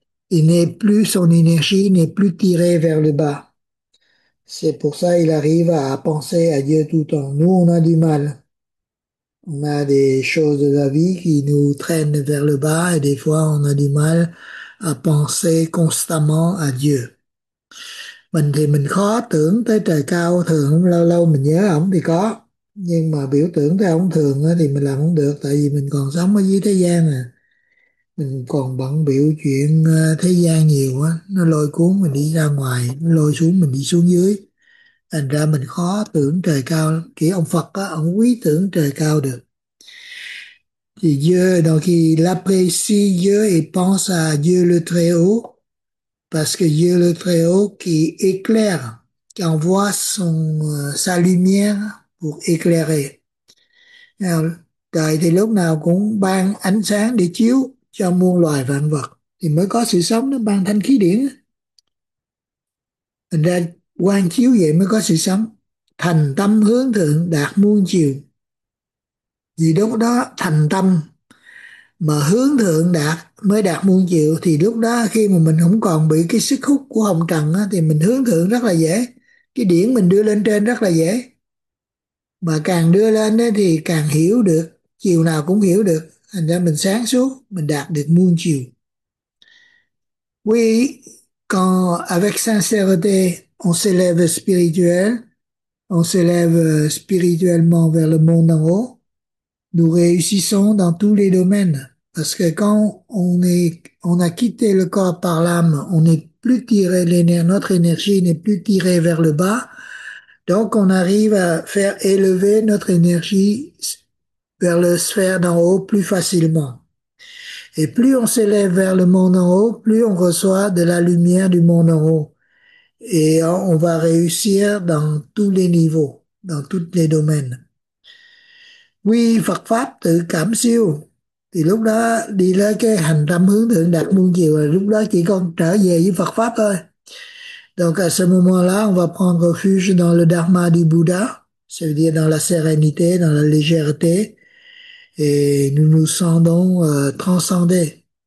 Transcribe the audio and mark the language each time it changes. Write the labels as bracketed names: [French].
[French] Il n'est plus, son énergie n'est plus tirée vers le bas. C'est pour ça qu'il arrive à penser à Dieu tout le temps. Nous, on a du mal. On a des choses de la vie qui nous traînent vers le bas et des fois, on a du mal à penser constamment à Dieu. [Vietnamese] Mình thì mình khó tưởng tới trời cao, thường lâu lâu mình nhớ ổng thì có, nhưng mà biểu tưởng tới ổng thường thì mình làm không được, tại vì mình còn sống ở dưới thế gian à, mình còn bận biểu chuyện thế gian nhiều á, nó lôi cuốn mình đi ra ngoài, nó lôi xuống mình đi xuống dưới, thành ra mình khó tưởng trời cao lắm. Kiểu ông Phật á, ông quý tưởng trời cao được. [French] Thì Dieu, donc il apprécie Dieu et pense à Dieu le Très-Haut, parce que Dieu le Très-Haut qui éclaire, qui envoie sa lumière pour éclairer. [Vietnamese] Alors, trời thì lúc nào cũng ban ánh sáng để chiếu cho muôn loài vạn vật, thì mới có sự sống, nó ban thanh khí điển. Thành ra quán chiếu vậy mới có sự sống. Thành tâm hướng thượng đạt muôn chiều. Vì lúc đó thành tâm mà hướng thượng đạt mới đạt muôn chiều, thì lúc đó khi mà mình không còn bị cái sức hút của hồng trần á, thì mình hướng thượng rất là dễ, cái điển mình đưa lên trên rất là dễ. Mà càng đưa lên á, thì càng hiểu được, chiều nào cũng hiểu được, thành ra mình sáng suốt, mình đạt được muôn chiều. [French] Oui, quand avec sincérité, on s'élève spirituel, on s'élève spirituellement vers le monde en haut, nous réussissons dans tous les domaines. Parce que quand on a quitté le corps par l'âme, on n'est plus tiré, notre énergie n'est plus tirée vers le bas. Donc, on arrive à faire élever notre énergie vers le sphère d'en haut plus facilement. Et plus on s'élève vers le monde en haut, plus on reçoit de la lumière du monde en haut. Et on va réussir dans tous les niveaux, dans tous les domaines. [Vietnamese] Oui, Phật pháp tự cảm siêu. Thì lúc đó đi lên cái hành tâm hướng thượng đạt muôn chiều, lúc đó chỉ còn trở về với Phật pháp thôi. [French] Donc à ce moment-là, on va prendre refuge dans le dharma du Bouddha, c'est-à-dire dans la sérénité, dans la légèreté, et nous nous sentons transcendés.